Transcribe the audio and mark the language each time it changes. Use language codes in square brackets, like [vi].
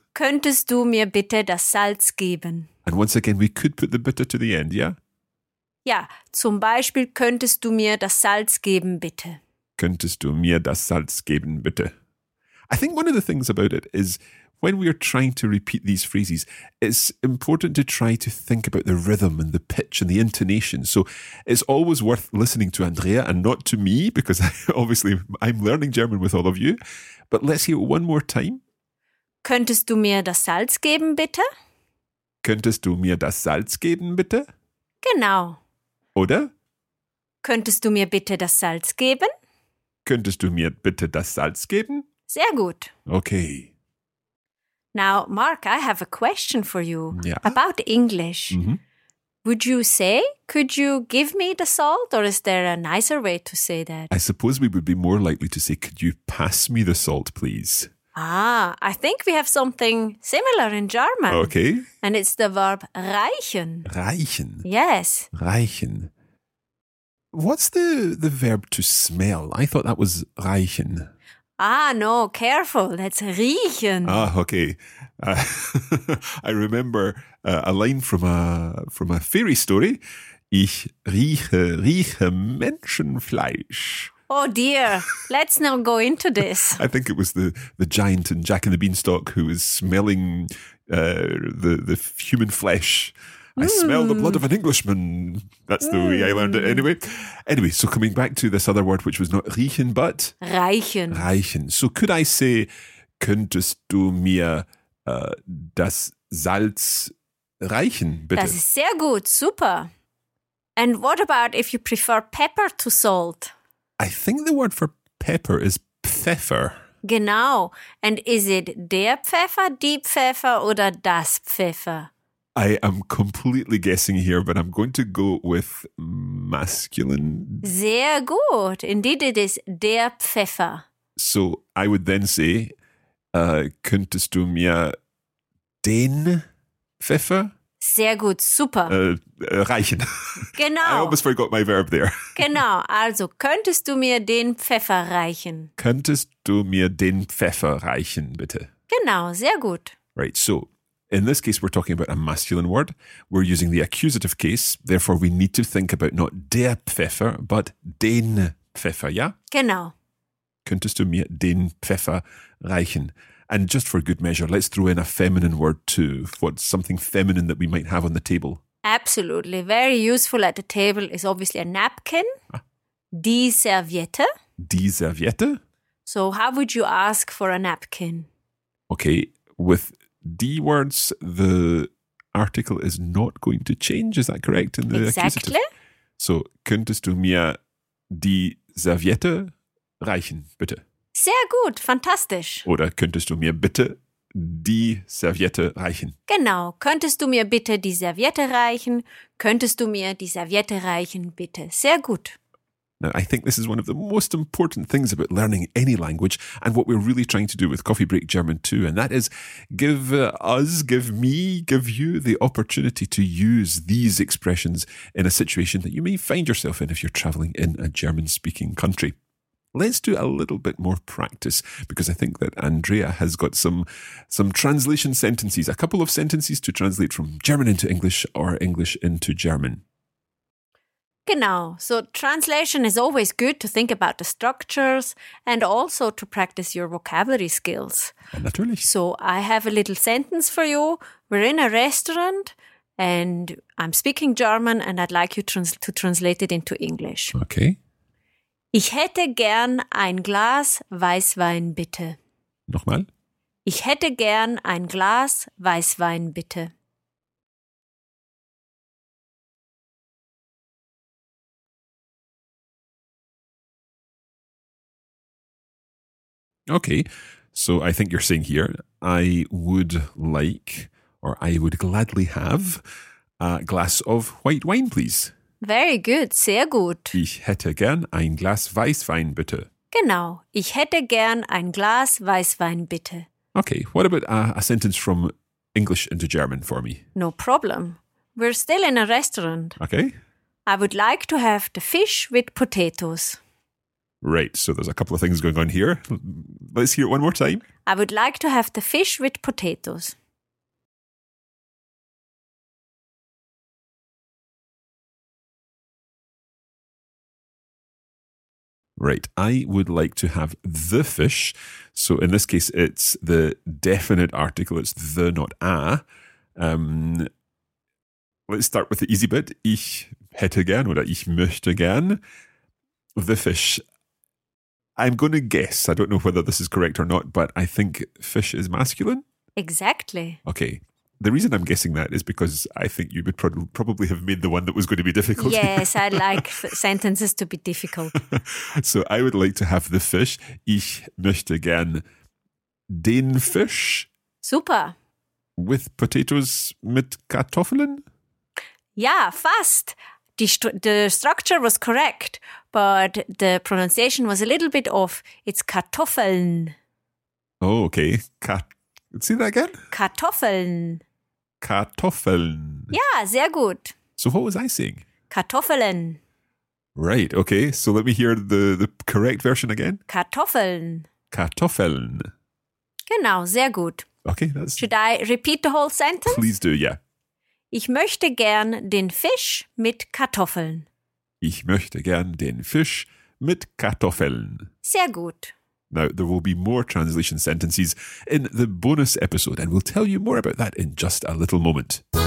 [de] Könntest du mir bitte das Salz geben? [en] And once again, we could put the bitte to the end, yeah? [de] Ja, zum Beispiel, könntest du mir das Salz geben, bitte? Könntest du mir das Salz geben, bitte? [en] I think one of the things about it is when we are trying to repeat these phrases, it's important to try to think about the rhythm and the pitch and the intonation. So it's always worth listening to Andrea and not to me, because obviously I'm learning German with all of you. But let's hear it one more time. [de] Könntest du mir das Salz geben, bitte? Könntest du mir das Salz geben, bitte? Genau. Oder? Könntest du mir bitte das Salz geben? Könntest du mir bitte das Salz geben? Sehr gut. [en] Okay. Now, Mark, I have a question for you about English. Mm-hmm. Would you say, could you give me the salt? Or is there a nicer way to say that? I suppose we would be more likely to say, could you pass me the salt, please? Ah, I think we have something similar in German. Okay. And it's the verb reichen. [de] Reichen. [en] Yes. Reichen. What's the verb to smell? I thought that was reichen. Ah, no, careful. That's riechen. Ah, okay. I remember a line from a fairy story. [de] Ich rieche Menschenfleisch. [en] Oh dear, let's not go into this. I think it was the giant in Jack and the Beanstalk who was smelling the human flesh. Mm. I smell the blood of an Englishman. That's the way I learned it anyway. Anyway, so coming back to this other word, which was not riechen, but... [de] Reichen. Reichen. [en] So could I say, [de] könntest du mir das Salz reichen, bitte? Das ist sehr gut, super. [en] And what about if you prefer pepper to salt? I think the word for pepper is Pfeffer. [de] Genau. [en] And is it [de] der Pfeffer, die Pfeffer oder das Pfeffer? [en] I am completely guessing here, but I'm going to go with masculine. [de] Sehr gut. [en] Indeed, it is [de] der Pfeffer. [en] So I would then say, [de] könntest du mir den Pfeffer? Sehr gut, super. Reichen. Genau. [en] I almost forgot my verb there. [de] Genau, also könntest du mir den Pfeffer reichen? Könntest du mir den Pfeffer reichen, bitte? Genau, sehr gut. [en] Right, so in this case we're talking about a masculine word. We're using the accusative case, therefore we need to think about not der Pfeffer, but den Pfeffer, ja? [de] Genau. Könntest du mir den Pfeffer reichen? [en] And just for good measure, let's throw in a feminine word too. What's something feminine that we might have on the table? Absolutely. Very useful at the table is obviously a napkin. [de] Die Serviette. Die Serviette. [en] So how would you ask for a napkin? Okay. With die words, the article is not going to change. Is that correct? In the exactly. Accusative? [de] So könntest du mir die Serviette reichen, bitte? Sehr gut, fantastisch. Oder könntest du mir bitte die Serviette reichen? Genau, könntest du mir bitte die Serviette reichen? Könntest du mir die Serviette reichen, bitte? Sehr gut. [en] Now, I think this is one of the most important things about learning any language and what we're really trying to do with Coffee Break German too, and that is give us, give me, give you the opportunity to use these expressions in a situation that you may find yourself in if you're traveling in a German-speaking country. Let's do a little bit more practice, because I think that Andrea has got some translation sentences, a couple of sentences to translate from German into English or English into German. [de] Genau. [en] So translation is always good to think about the structures and also to practice your vocabulary skills. [de] Natürlich. [en] So I have a little sentence for you. We're in a restaurant and I'm speaking German and I'd like you to translate it into English. Okay. [de] Ich hätte gern ein Glas Weißwein, bitte. Nochmal. Ich hätte gern ein Glas Weißwein, bitte. [en] Okay, so I think you're saying here, I would like, or I would gladly have, a glass of white wine, please. Very good, [de] sehr gut. Ich hätte gern ein Glas Weißwein, bitte. Genau, ich hätte gern ein Glas Weißwein, bitte. [en] Okay, what about a sentence from English into German for me? No problem. We're still in a restaurant. Okay. I would like to have the fish with potatoes. Right, so there's a couple of things going on here. Let's hear it one more time. I would like to have the fish with potatoes. Right, I would like to have the fish. So in this case, it's the definite article. It's the, not a. Let's start with the easy bit. [de] Ich hätte gern oder ich möchte gern [en] the fish. I'm going to guess. I don't know whether this is correct or not, but I think fish is masculine. Exactly. Okay. The reason I'm guessing that is because I think you would probably have made the one that was going to be difficult. Yes, I like sentences to be difficult. So I would like to have the fish. [de] Ich möchte gern den Fisch. Super. [en] With potatoes [de] mit Kartoffeln? Ja, fast. [en] The structure was correct, but the pronunciation was a little bit off. It's Kartoffeln. Oh, okay. See that again? [de] Kartoffeln. Kartoffeln. [en] Yeah, [de] sehr gut. [en] So what was I saying? [de] Kartoffeln. [en] Right, okay. So let me hear the correct version again. [de] Kartoffeln. Kartoffeln. Genau, sehr gut. [en] Okay, that's... Should I repeat the whole sentence? Please do, yeah. [de] Ich möchte gern den Fisch mit Kartoffeln. Ich möchte gern den Fisch mit Kartoffeln. Sehr gut. [en] Now, there will be more translation sentences in the bonus episode, and we'll tell you more about that in just a little moment.